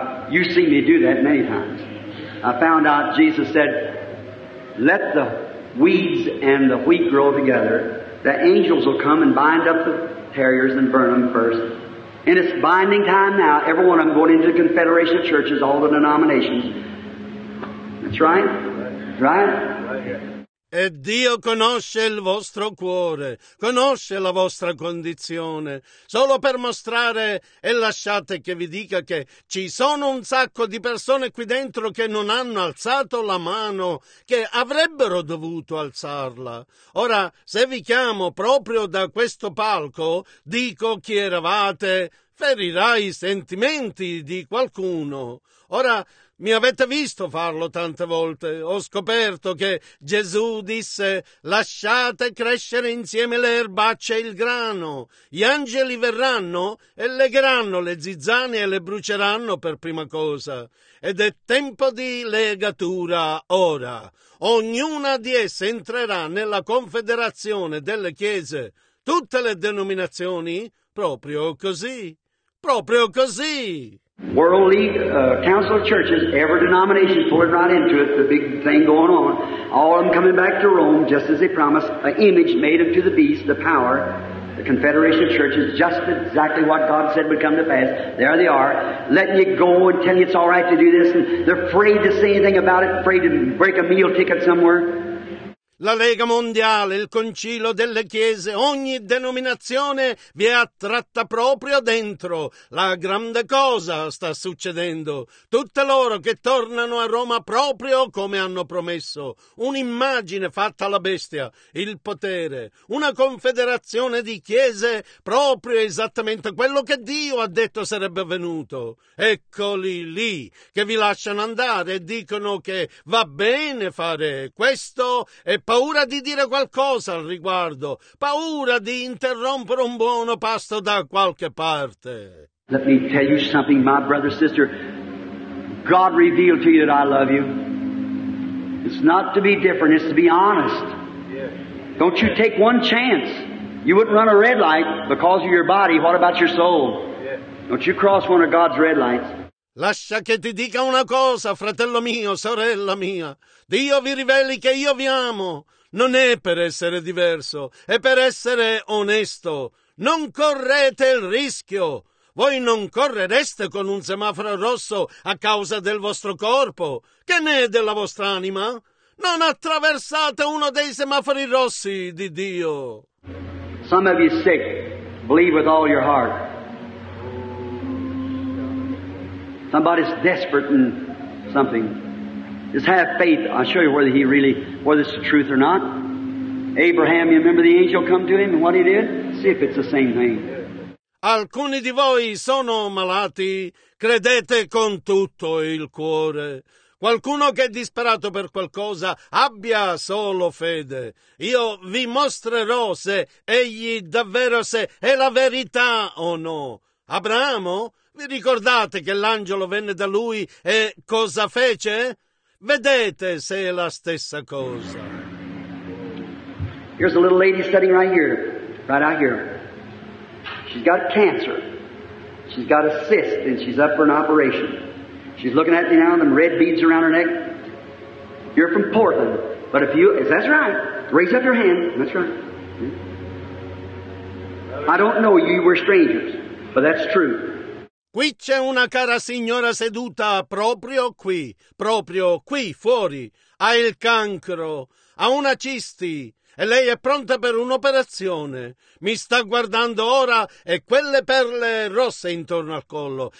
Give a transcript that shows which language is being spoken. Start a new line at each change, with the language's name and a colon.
English: You've seen me do that many times. I found out Jesus said, let the weeds and the wheat grow together. The angels will come and bind up the tares and burn them first. And it's binding time now. Every one of them going into the Confederation of Churches, all the denominations. That's right? Right?
Italian: E Dio conosce il vostro cuore, conosce la vostra condizione. Solo per mostrare, e lasciate che vi dica che ci sono un sacco di persone qui dentro che non hanno alzato la mano, che avrebbero dovuto alzarla. Ora, se vi chiamo proprio da questo palco, dico chi eravate, ferirà i sentimenti di qualcuno. Ora, mi avete visto farlo tante volte. Ho scoperto che Gesù disse «Lasciate crescere insieme le erbacce e il grano. Gli angeli verranno e legheranno le zizzane e le bruceranno per prima cosa. Ed è tempo di legatura ora. Ognuna di esse entrerà nella confederazione delle chiese. Tutte le denominazioni? Proprio così. Proprio così!»
English: Worldly council of churches, every denomination pulling right into it, the big thing going on, all of them coming back to Rome just as they promised, an image made unto the beast, the power, the confederation of churches, just exactly what God said would come to pass. There they are, letting you go and telling you it's all right to do this, and they're afraid to say anything about it, afraid to break a meal ticket somewhere.
Italian: La Lega Mondiale, il Concilio delle Chiese, ogni denominazione vi è attratta proprio dentro. La grande cosa sta succedendo. Tutte loro che tornano a Roma proprio come hanno promesso. Un'immagine fatta alla bestia, il potere. Una confederazione di chiese proprio esattamente quello che Dio ha detto sarebbe venuto. Eccoli lì che vi lasciano andare e dicono che va bene fare questo e paura di dire qualcosa al riguardo, paura di interrompere un buono pasto da qualche parte.
English: Let me tell you something, my brother, sister. God revealed to you that I love you. It's not to be different, it's to be honest. Don't you take one chance. You wouldn't run a red light because of your body. What about your soul? Don't you cross one of God's red lights.
Italian: Lascia che ti dica una cosa, fratello mio, sorella mia. Dio vi riveli che io vi amo. Non è per essere diverso, è per essere onesto. Non correte il rischio. Voi non correreste con un semaforo rosso a causa del vostro corpo? Che ne è della vostra anima? Non attraversate uno dei semafori rossi di Dio.
English: Some of you sick, believe with all your heart. Somebody's desperate in something. Just have faith. I'll show you whether he really, whether it's the truth or not. Abraham, you remember the angel come to him and what he did? See if it's the same thing.
Italian: Alcuni di voi sono malati, credete con tutto il cuore. Qualcuno che è disperato per qualcosa abbia solo fede. Io vi mostrerò se egli davvero se è la verità o no. Abramo, vi ricordate che l'angelo venne da lui e cosa fece? Vedete se è la stessa cosa.
English: Here's a little lady sitting right out here. She's got cancer. She's got a cyst, and she's up for an operation. She's looking at me now, them red beads around her neck. You're from Portland, but if you, is that right? Raise up your hand. That's right. I don't know you, we're strangers, but that's true.
Italian: Qui c'è una cara signora seduta proprio qui fuori. Ha il cancro, ha una cisti. E lei è pronta per un'operazione. Mi sta guardando ora e quelle perle rosse intorno al collo.